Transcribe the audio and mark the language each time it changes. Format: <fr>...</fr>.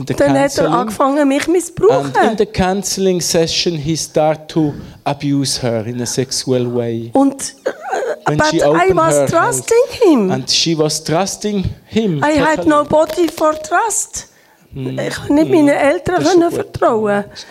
<de>Dann hat er angefangen, mich missbrauchen.</de> <en>And in the counseling session he started to abuse her in a sexual way.</en> <de>Und</de> <en>I was trusting him. And she was trusting him. I had nobody for trust.</en> <de>Ich konnte nicht meinen Eltern können vertrauen.</de>